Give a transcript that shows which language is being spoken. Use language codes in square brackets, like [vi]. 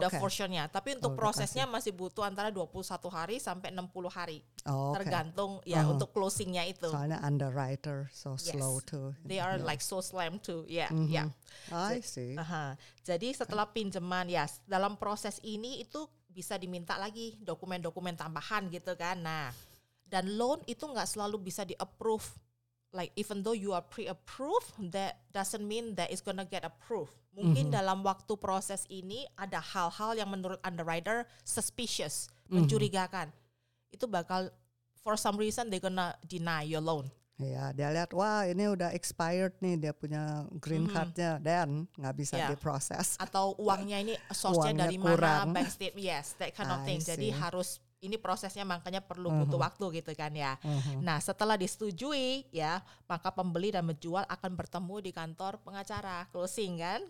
[id] Udah [en] for sure- [id] nya, tapi untuk prosesnya masih butuh antara 21 hari sampai 60 hari tergantung ya untuk closing-nya itu. Soalnya [en] underwriter so slow too. They are like so slam too. Yeah. I see. [id] Jadi setelah pinjaman ya dalam proses ini itu bisa diminta lagi dokumen-dokumen tambahan gitu kan. Nah, dan loan itu enggak selalu bisa di approve. [en] Like even though you are pre-approved, that doesn't mean that it's gonna get approved. [id] Mungkin dalam waktu proses ini ada hal-hal yang menurut underwriter suspicious, mencurigakan. Itu bakal [en] for some reason they gonna deny your loan. [id] Iya, dia lihat wah ini udah expired nih dia punya green cardnya dan nggak bisa diproses. Atau uangnya ini source-nya dari kurang. Mana? [en] Bank statement, yes, that kind of thing. [id] Jadi harus ini prosesnya makanya perlu butuh waktu gitu kan ya. Nah setelah disetujui ya maka pembeli dan penjual akan bertemu di kantor pengacara closing kan.